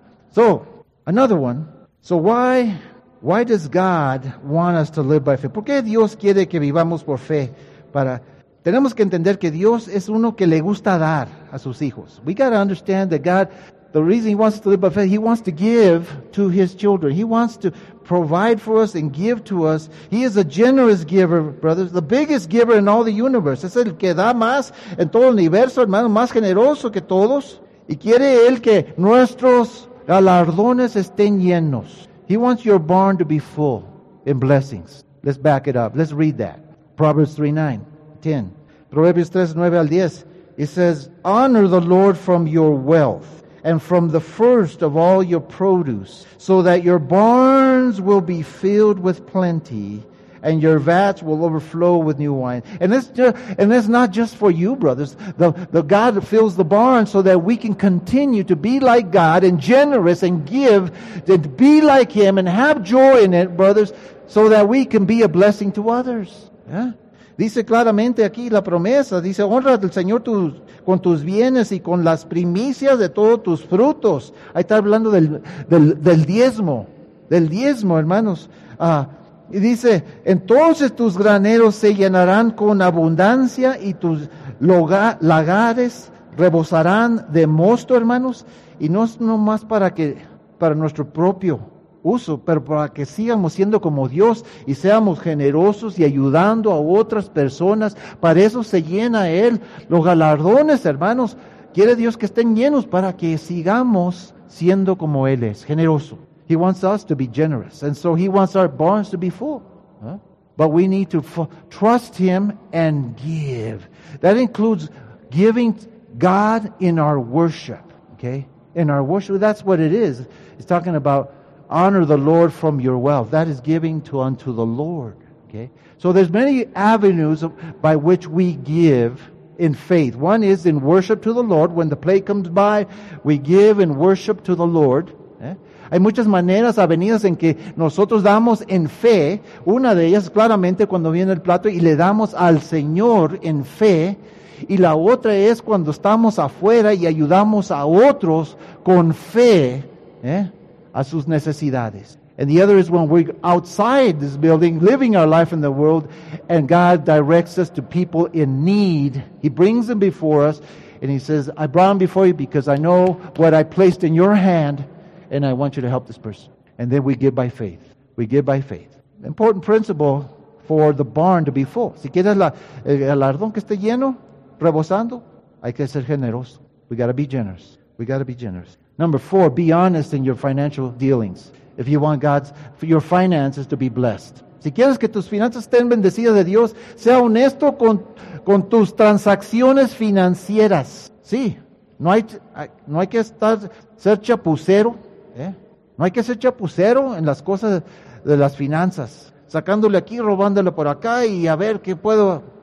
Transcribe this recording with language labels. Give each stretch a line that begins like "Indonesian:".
English: So, another one, so why does God want us to live by faith?
Spanish: ¿Por qué Dios quiere que vivamos por fe? Tenemos que entender que Dios es uno que le gusta dar a sus hijos.
English: We got to understand that God The reason he wants to live by faith, he wants to give to his children. He wants to provide for us and give to us. He is a generous giver, brothers. The biggest giver in all the universe.
Spanish: Es el que da más en todo el universo, hermano, más generoso que todos. Y quiere él que nuestros galardones estén llenos.
English: He wants your barn to be full in blessings. Let's back it up. Let's read that. Proverbs 3:9-10.
Spanish: Proverbios 3:9-10.
English: It says, honor the Lord from your wealth and from the first of all your produce, so that your barns will be filled with plenty and your vats will overflow with new wine. And it's not just for you, brothers. The God fills the barn so that we can continue to be like God and generous and give, and be like Him and have joy in it, brothers, so that we can be a blessing to others. Yeah.
Spanish: Dice claramente aquí la promesa, dice, honra al Señor con tus bienes y con las primicias de todos tus frutos. Ahí está hablando del diezmo, hermanos. Y dice, entonces tus graneros se llenarán con abundancia y tus lagares rebosarán de mosto, hermanos. Y no es nomás para nuestro propio uso, pero para que sigamos siendo como Dios y seamos generosos y ayudando a otras personas, para eso se llena Él. Los galardones, hermanos, quiere Dios que estén llenos para que sigamos siendo como Él es, generoso.
English: He wants us to be generous, and so He wants our barns to be full. But we need to trust Him and give. That includes giving God in our worship, okay? In our worship, that's what it is. It's talking about honor the Lord from your wealth. That is giving unto the Lord. Okay. So there's many avenues by which we give in faith. One is in worship to the Lord. When the plague comes by, we give in worship to the Lord. Okay?
Spanish: Hay muchas maneras, avenidas en que nosotros damos en fe. Una de ellas, claramente, cuando viene el plato y le damos al Señor en fe. Y la otra es cuando estamos afuera y ayudamos a otros con fe. ¿Eh? A sus necesidades.
English: And the other is when we're outside this building, living our life in the world, and God directs us to people in need. He brings them before us, and He says, I brought them before you because I know what I placed in your hand, and I want you to help this person. And then we give by faith. We give by faith. Important principle for the barn to be full.
Spanish: Si quieres el galardón que esté lleno, rebosando, hay que ser generoso.
English: We got to be generous. We got to be generous. Number four, be honest in your financial dealings. If you want God's, for your finances to be blessed.
Spanish: Si quieres que tus finanzas estén bendecidas de Dios, sea honesto con tus transacciones financieras. Sí, no hay que ser chapucero. ¿Eh? No hay que ser chapucero en las cosas de las finanzas. Sacándole aquí, robándole por acá y a ver qué puedo.